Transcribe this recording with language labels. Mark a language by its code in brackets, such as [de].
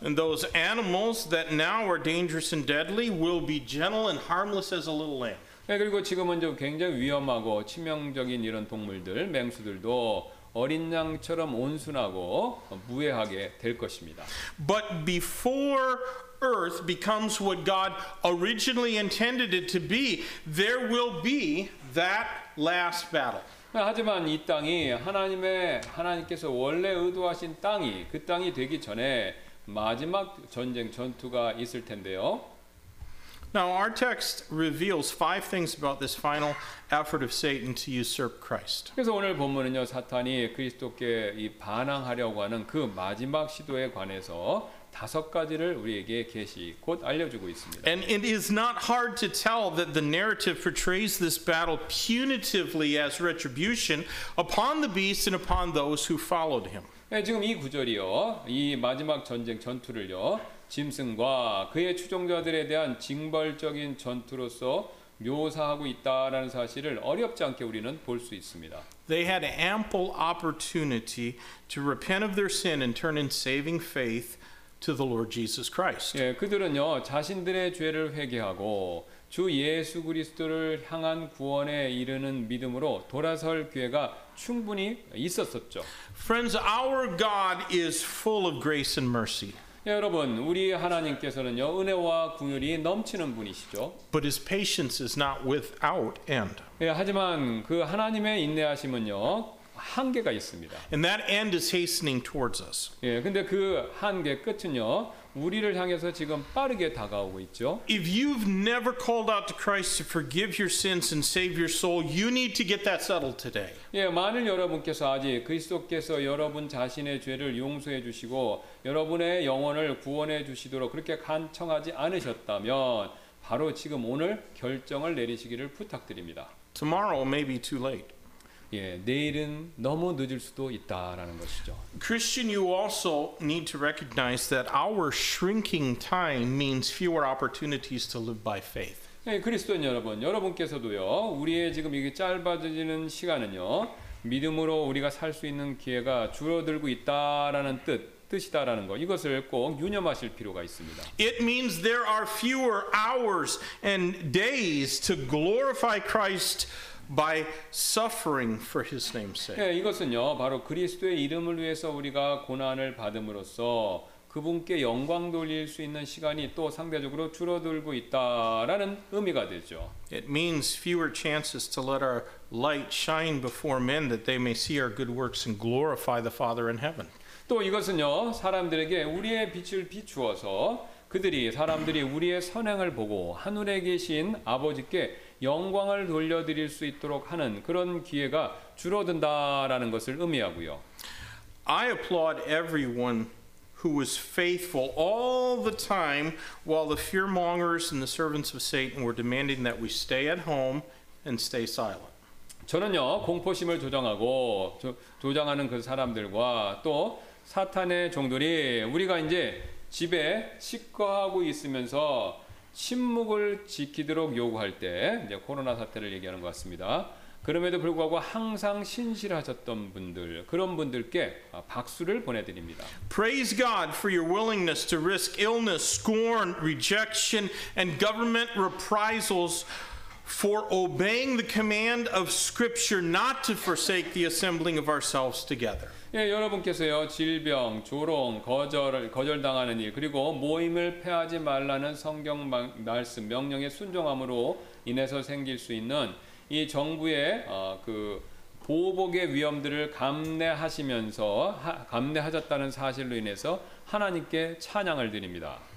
[en] And those animals that now are dangerous and deadly will be gentle and harmless as a little lamb. [ko] 네, 그리고 지금은 좀 굉장히 위험하고 치명적인 이런 동물들, 맹수들도 어린 양처럼 온순하고 무해하게 될 것입니다. [en] But before Earth becomes what God originally intended it to be, there will be that last battle. [ko] 하지만 이 땅이 하나님께서 원래 의도하신 땅이 그 땅이 되기 전에 마지막 전쟁 전투가 있을 텐데요. [en] Now our text reveals five things about this final effort of Satan to usurp Christ. [ko] 그래서 오늘 본문은요 사탄이 그리스도께 이 반항하려고 하는 그 마지막 시도에 관해서 다섯 가지를 우리에게 계시 곧 알려주고 있습니다. [en] And it is not hard to tell that the narrative portrays this battle punitively as retribution upon the beast and upon those who followed him. [ko] 네, 지금 이 구절이요, 이 마지막 전쟁 전투를요. 짐승과 그의 추종자들에 대한 징벌적인 전투로서 묘사하고 있다라는 사실을 어렵지 않게 우리는 볼 수 있습니다. [en] They had ample opportunity to repent of their sin and turn in saving faith to the Lord Jesus Christ. [ko] 예, 그들은요, 자신들의 죄를 회개하고 주 예수 그리스도를 향한 구원에 이르는 믿음으로 돌아설 기회가 충분히 있었었죠. [en] Friends, our God is full of grace and mercy. [ko] 예, 여러분, 우리 하나님께서는요, 은혜와 긍휼이 넘치는 분이시죠. [en] But his patience is not without end. [ko] 예, 하지만 그 하나님의 인내하심은요, 한계가 있습니다. [en] And that end is hastening towards us. [ko] 예, 근데 그 한계 끝은요, 우리를 향해서 지금 빠르게 다가오고 있죠. [en] If you've never called out to Christ to forgive your sins and save your soul, you need to get that settled today. [ko] 예, 만일 여러분께서 아직 그리스도께서 여러분 자신의 죄를 용서해 주시고 여러분의 영혼을 구원해 주시도록 그렇게 간청하지 않으셨다면 바로 지금 오늘 결정을 내리시기를 부탁드립니다. [en] Tomorrow may be too late. [ko] 예, 내일은 너무 늦을 수도 있다라는 것이죠. [en] Christian, you also need to recognize that our shrinking time means fewer opportunities to live by faith. [ko] 예, 그리스도인 여러분, 여러분께서도요. 우리의 지금 이게 짧아지는 시간은요. 믿음으로 우리가 살 수 있는 기회가 줄어들고 있다라는 뜻이다라는 거. 이것을 꼭 유념하실 필요가 있습니다. [en] It means there are fewer hours and days to glorify Christ by suffering for his name's sake. [ko] 예, 이것은요. 바로 그리스도의 이름을 위해서 우리가 고난을 받음으로써 그분께 영광 돌릴 수 있는 시간이 또 상대적으로 줄어들고 있다라는 의미가 되죠. [en] It means fewer chances to let our light shine before men that they may see our good works and glorify the Father in heaven. [ko] 또 이것은요. 사람들에게 우리의 빛을 비추어서 그들이 사람들이 우리의 선행을 보고 하늘에 계신 아버지께 영광을 돌려드릴 수 있도록 하는 그런 기회가 줄어든다라는 것을 의미하고요. [en] I applaud everyone who was faithful all the time while the fearmongers and the servants of Satan were demanding that we stay at home and stay silent. [ko] 저는요, 공포심을 조장하는 그 사람들과 또 사탄의 종들이 우리가 이제 집에 식거하고 있으면서 침묵을 지키도록 요구할 때 이제 코로나 사태를 얘기하는 것 같습니다. 그럼에도 불구하고 항상 신실하셨던 분들, 그런 분들께 박수를 보내드립니다. [en] Praise God for your willingness to risk illness, scorn, rejection, and government reprisals for obeying the command of Scripture not to forsake the assembling of ourselves together. [ko] 예, 여러분께서요 질병, 조롱, 거절당하는 일 그리고 모임을 폐하지 말라는 성경 말씀 명령의 순종함으로 인해서 생길 수 있는 이 정부의 그 보복의 위험들을 감내하시면서 감내하셨다는 사실로 인해서 하나님께 찬양을 드립니다.